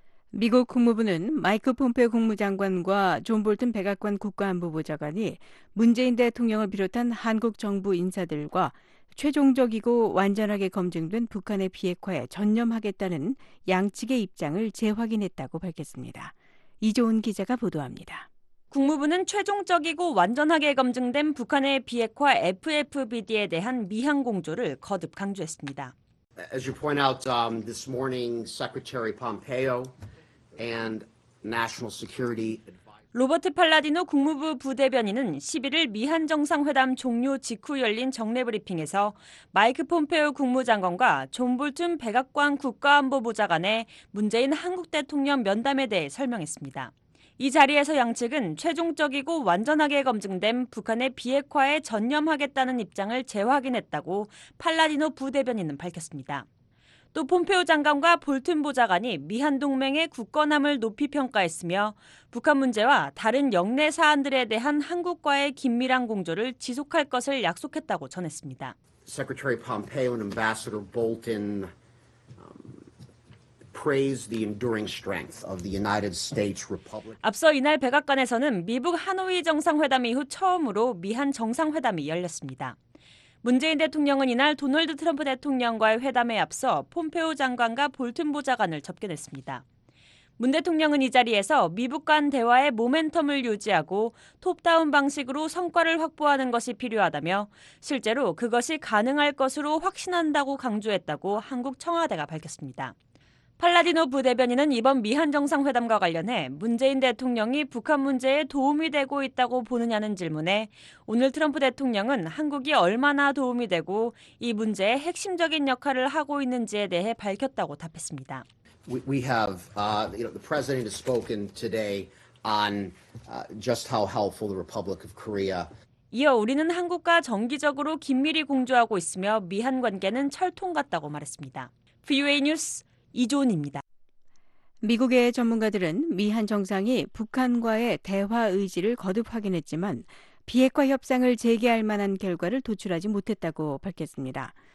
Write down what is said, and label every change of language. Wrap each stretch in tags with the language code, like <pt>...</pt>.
<ko>미국 국무부는 마이크 폼페오 국무장관과 존 볼튼 백악관 국가안보보좌관이 문재인 대통령을 비롯한 한국 정부 인사들과 최종적이고 완전하게 검증된 북한의 비핵화에 전념하겠다는 양측의 입장을 재확인했다고 밝혔습니다. 이조은 기자가 보도합니다. 국무부는 최종적이고 완전하게 검증된 북한의 비핵화 FFBD에 대한 미항 공조를 거듭 강조했습니다.</ko> <en>As you point out, this morning, Secretary Pompeo and National Security Advisor.</en> <ko>로버트 팔라디노 국무부 부대변인은 11일 미한 정상회담 종료 직후 열린 정례 브리핑에서 마이크 폼페오 국무장관과 존 볼튼 백악관 국가안보보좌관의 문재인 한국 대통령 면담에 대해 설명했습니다. 이 자리에서 양측은 최종적이고 완전하게 검증된 북한의 비핵화에 전념하겠다는 입장을 재확인했다고 팔라디노 부대변인은 밝혔습니다. 또 폼페오 장관과 볼튼 보좌관이 미한동맹의 굳건함을 높이 평가했으며 북한 문제와 다른 역내 사안들에 대한 한국과의 긴밀한 공조를 지속할 것을 약속했다고 전했습니다.</ko> <en>Secretary Pompeo and Ambassador Bolton praised the enduring strength of the United States Republic.</en> <ko>앞서 이날 백악관에서는 미북 하노이 정상회담 이후 처음으로 미한 정상회담이 열렸습니다. 문재인 대통령은 이날 도널드 트럼프 대통령과의 회담에 앞서 폼페오 장관과 볼튼 보좌관을 접견했습니다. 문 대통령은 이 자리에서 미북 간 대화의 모멘텀을 유지하고 톱다운 방식으로 성과를 확보하는 것이 필요하다며 실제로 그것이 가능할 것으로 확신한다고 강조했다고 한국 청와대가 밝혔습니다. 팔라디노 부대변인은 이번 미한정상회담과 관련해 문재인 대통령이 북한 문제에 도움이 되고 있다고 보느냐는 질문에 오늘 트럼프 대통령은 한국이 얼마나 도움이 되고 이 문제의 핵심적인 역할을 하고 있는지에 대해 밝혔다고 답했습니다.</ko> <en>We have, you know, the president has spoken today on just how helpful the Republic of Korea.</en> <ko>이어 우리는 한국과 정기적으로 긴밀히 공조하고 있으며 미한 관계는 철통 같다고 말했습니다. VOA 뉴스 이조은입니다. 미국의 전문가들은 미한 정상이 북한과의 대화 의지를 거듭 확인했지만 비핵화 협상을 재개할 만한 결과를 도출하지 못했다고 밝혔습니다.</ko>